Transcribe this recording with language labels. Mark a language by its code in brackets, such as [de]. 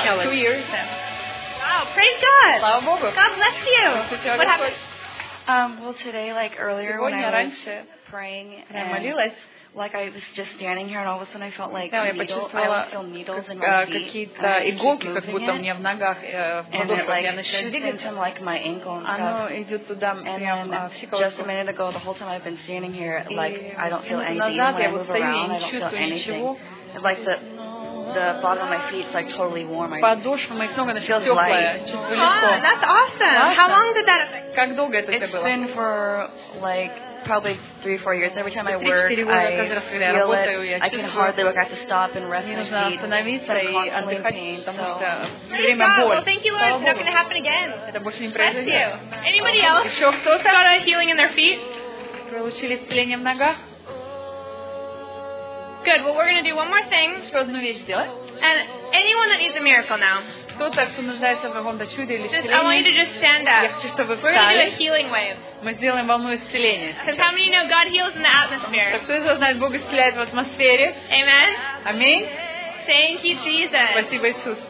[en] Oh, praise God. [ru] Слава Богу. [en] God bless you. What happened? Well, today, like earlier [ru] сегодня, [en] when I [ru] раньше, [en] was praying, and [ru] я молилась, [en] like I was just standing here, and all of a sudden I felt like [ru] да, [en] needle, I would feel needles in my feet. [ru] Какие-то иголки, как будто мне в ногах, [en] and it like shooting into like my ankle and stuff. [ru] Идет туда, [en] and [ru] прям, [en] then just a minute ago, the whole time I've been standing here, like I don't feel anything when I move around. I don't feel anything. Like the bottom of my feet is like totally warm. [ru] Подошва моих ног она [en] feels [ru] теплая. [en] That's awesome. How long did that? [ru] Как долго это было? [en] It's been for like probably 3-4 years. Every time I work, I feel it. I can hardly work. I have to stop and rest my feet. [ru] Нужно остановиться и отдыхать, потому что время боль. [en] Well, thank you, Lord. It's not going to happen again. [ru] Это больше не произойдет. [en] Bless you. Anybody else? [ru] Еще кто-то? [en] Got a healing in their feet? [ru] Получили исцеление в ногах? [en] Good. Well, we're going to do one more thing. And anyone that needs a miracle now, just, I want you to just stand up. We're going to do a healing wave. Because how many know God heals in the atmosphere? Amen. Thank you, Jesus.